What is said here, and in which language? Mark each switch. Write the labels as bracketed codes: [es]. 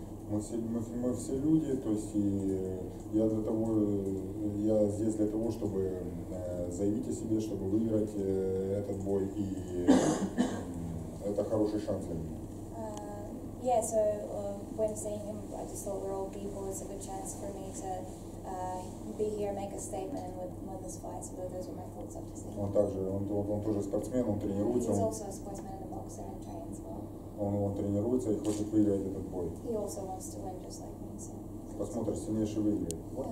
[ru] Мы все люди, то есть и я для того, я здесь для того, чтобы заявить о себе, чтобы выиграть этот бой, и это хороший шанс для меня. [en] When seeing him, I just thought we're all people, it's a good chance for me to be here, make a statement, and win this fight, so those were my thoughts after seeing him. [ru] Он тоже спортсмен, он тренируется. [en] He's also a sportsman and a boxer and trains well. [ru] Он тренируется и хочет выиграть этот бой. [en] He also wants to win just like me, so. [ru] Посмотрим, сильнейший выиграет.